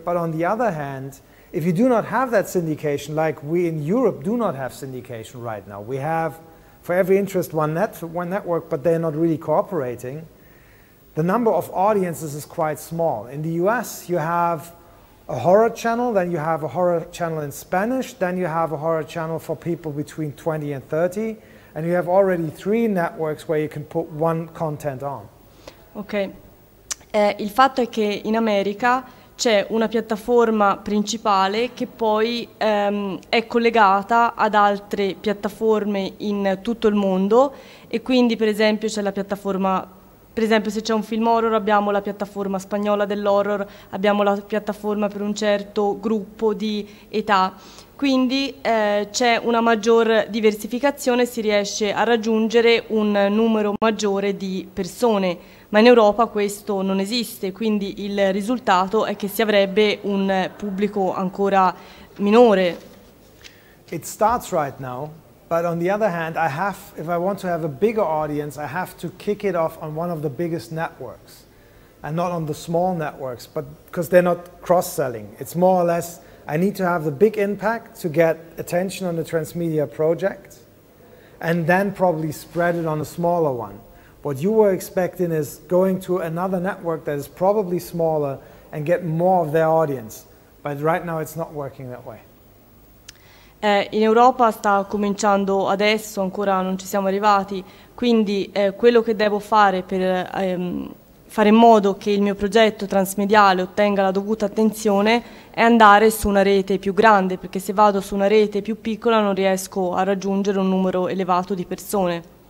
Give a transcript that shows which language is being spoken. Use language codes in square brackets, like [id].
[en] But on the other hand, if you do not have that syndication, like we in Europe do not have syndication right now, we have for every interest one network, but they're not really cooperating, the number of audiences is quite small. In the US, you have a horror channel, then you have a horror channel in Spanish, then you have a horror channel for people between 20 and 30, and you have already three networks where you can put one content on. Okay. [it] Il fatto è che in America c'è una piattaforma principale che poi è collegata ad altre piattaforme in tutto il mondo, e quindi per esempio c'è la piattaforma, per esempio se c'è un film horror abbiamo la piattaforma spagnola dell'horror, abbiamo la piattaforma per un certo gruppo di età, quindi c'è una maggior diversificazione, si riesce a raggiungere un numero maggiore di persone. Ma in Europa questo non esiste, quindi il risultato è che si avrebbe un pubblico ancora minore. [en] It starts right now, but on the other hand, if I want to have a bigger audience, I have to kick it off on one of the biggest networks and not on the small networks, but because they're not cross-selling. It's more or less I need to have the big impact to get attention on the transmedia project and then probably spread it on a smaller one. What you were expecting is going to another network that is probably smaller and get more of their audience. But right now it's not working that way. [it] In Europa sta cominciando adesso, ancora non ci siamo arrivati. Quindi quello che devo fare per fare in modo che il mio progetto transmediale ottenga la dovuta attenzione è andare su una rete più grande, perché se vado su una rete più piccola non riesco a raggiungere un numero elevato di persone.